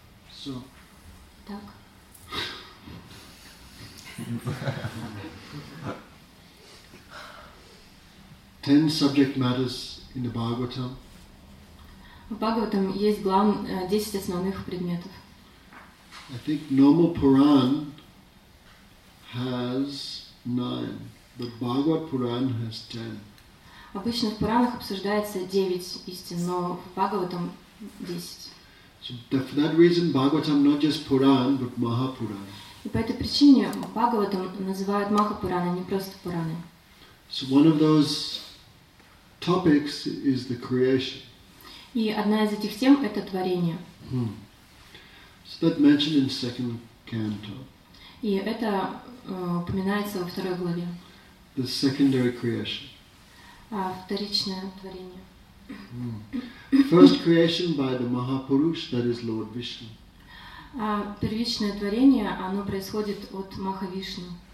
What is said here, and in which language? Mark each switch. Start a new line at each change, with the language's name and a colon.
English: So.
Russian: Так.
English: Ten subject matters in the Bhagavatam.
Russian: В Бхагаватам есть 10 основных предметов.
English: I think normal Puran has 9, but Bhagavat Puran has 10.
Russian: Обычно в Пуранах обсуждается 9 истин, но в Бхагаватам 10.
English: So for that reason, Bhagavatam not just Puran, but Mahapuran.
Russian: И по этой причине Бхагаватам называют Махапураны, не просто Пураны.
English: So one of those topics is the creation.
Russian: И одна из этих тем – это творение.
English: So that mentioned in second canto.
Russian: И это упоминается во второй главе.
English: The secondary creation.
Russian: Вторичное творение.
English: First creation by the Mahapurush, that is Lord Vishnu.
Russian: Первичное творение, оно происходит от Махавишну.